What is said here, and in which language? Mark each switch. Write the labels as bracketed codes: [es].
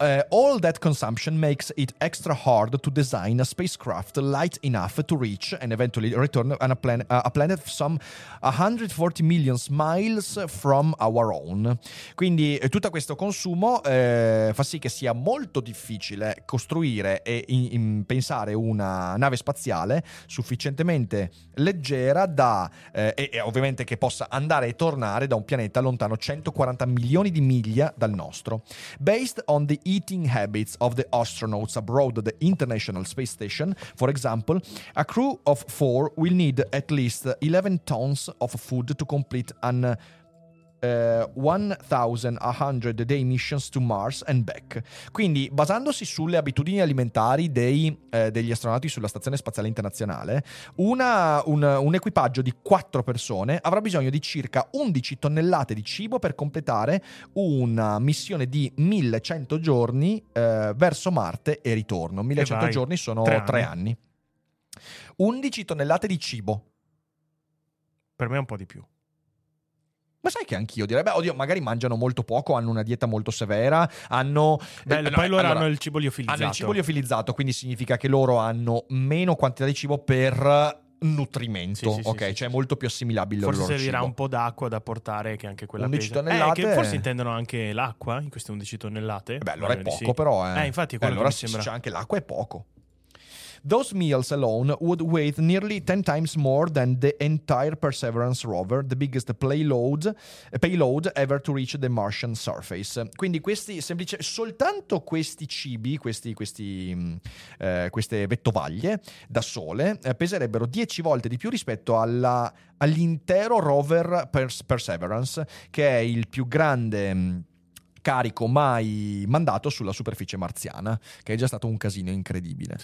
[en] All that consumption makes it extra hard to design a spacecraft light enough to reach and eventually return on a planet some 140 million miles from our own. [it] Quindi tutto questo consumo fa sì che sia molto difficile costruire e pensare una nave spaziale sufficientemente leggera da e ovviamente che possa andare e tornare da un pianeta lontano 140 milioni di miglia dal nostro. [en] Based on the eating habits of the astronauts abroad the International Space Station, for example, a crew of four will need at least 11 tons of food to complete an 1,100-day missions to Mars and back. [it] Quindi, basandosi sulle abitudini alimentari degli astronauti sulla Stazione Spaziale Internazionale, un equipaggio di 4 persone avrà bisogno di circa 11 tonnellate di cibo per completare una missione di 1100 giorni verso Marte e ritorno. 1100 giorni sono 3 anni. 11 tonnellate di cibo. Per me è un po' di più. Ma sai che anch'io direi, beh, oddio, magari mangiano molto poco, hanno una dieta molto severa, hanno il cibo liofilizzato. Hanno il cibo liofilizzato, quindi significa che loro hanno meno quantità di cibo per nutrimento, sì, sì, ok? Sì, cioè è molto più assimilabile forse il loro cibo. Forse servirà un po' d'acqua da portare, che anche quella 11 pesa. Tonnellate. Che forse intendono anche l'acqua in queste 11 tonnellate. Beh, allora è poco, sì, però, eh. Infatti quello allora che mi sembra. C'è anche l'acqua, è poco. [en] Those meals alone would weigh nearly 10 times more than the entire Perseverance rover, the biggest payload ever to reach the Martian surface. [it] Quindi questi semplici, soltanto questi cibi, queste vettovaglie da sole peserebbero 10 volte di più rispetto all'intero rover Perseverance, che è il più grande carico mai mandato sulla superficie marziana, che è già stato un casino incredibile.